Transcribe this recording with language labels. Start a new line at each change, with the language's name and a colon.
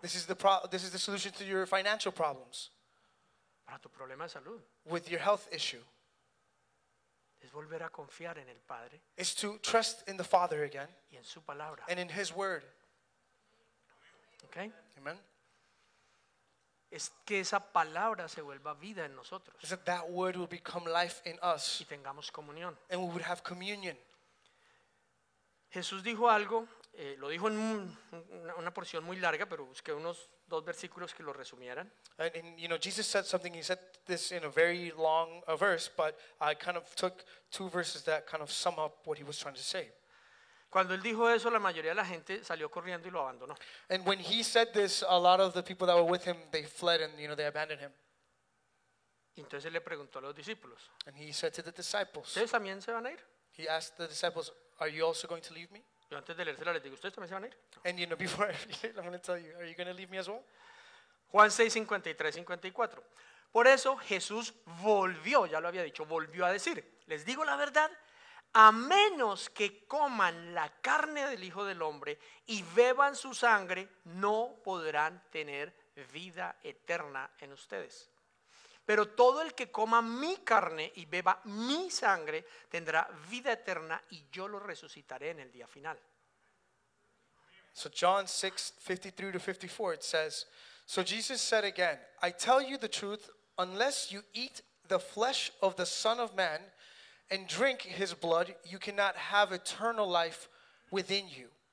English: This is the solution to your financial problems.
Spanish: Para tu problema de salud.
English: With your health issue.
Spanish: Es volver a confiar en el Padre.
English: Is to trust in the Father again.
Spanish: Y en su palabra.
English: And in His word. Okay. Amen.
Spanish: Es que esa palabra se vuelva vida en nosotros.
English: Is that word will become life in us.
Spanish: Y tengamos comunión.
English: And we would have communion.
Spanish: Jesús dijo algo, lo dijo en una porción muy larga, pero busqué unos dos versículos que lo resumieran.
English: And you know, Jesus said something. He said this in a very long verse, but I kind of took two verses that kind of sum up what he was trying to say.
Spanish: Cuando él dijo eso, la mayoría de la gente salió corriendo y lo abandonó.
English: And when he said this, a lot of the people that were with him, they fled and, you know, they abandoned him.
Spanish: Entonces él le preguntó a los discípulos.
English: And he said to the disciples.
Spanish: ¿Ustedes también se van a ir?
English: He asked the disciples, are you also going to leave me?
Spanish: Yo antes de leérselo les digo, ¿ustedes también se van a ir?
English: And you know, before I'm going to tell you, are you going to leave me as well?
Spanish: Juan 6:53-54. Por eso Jesús volvió, ya lo había dicho, volvió a decir, les digo la verdad, a menos que coman la carne del Hijo del Hombre y beban su sangre, no podrán tener vida eterna en ustedes. Pero todo el que coma mi carne y beba mi sangre tendrá vida eterna y yo lo resucitaré en el día final.
English: So John 6:53-54, it says, so Jesus said again, I tell you the truth, unless you eat the flesh of the Son of Man and drink his blood, you cannot have eternal life within you.